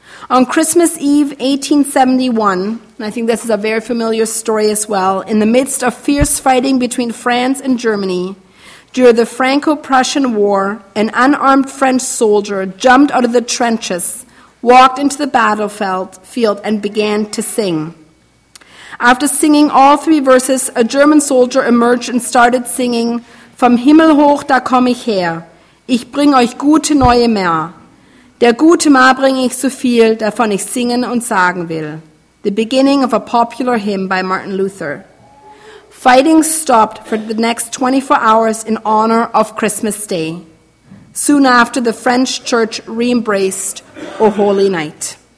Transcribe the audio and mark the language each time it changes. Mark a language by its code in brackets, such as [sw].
[en] On Christmas Eve, 1871, and I think this is a very familiar story as well, in the midst of fierce fighting between France and Germany, during the Franco-Prussian War, an unarmed French soldier jumped out of the trenches, walked into the battlefield, and began to sing. After singing all three verses, a German soldier emerged and started singing, [de] "Vom Himmel hoch, da komme ich her. Ich bring euch gute neue Mär. Der gute Mär bring ich so viel, davon ich singen und sagen will." [en] The beginning of a popular hymn by Martin Luther. Fighting stopped for the next 24 hours in honor of Christmas Day. Soon after, the French church re-embraced O Holy Night.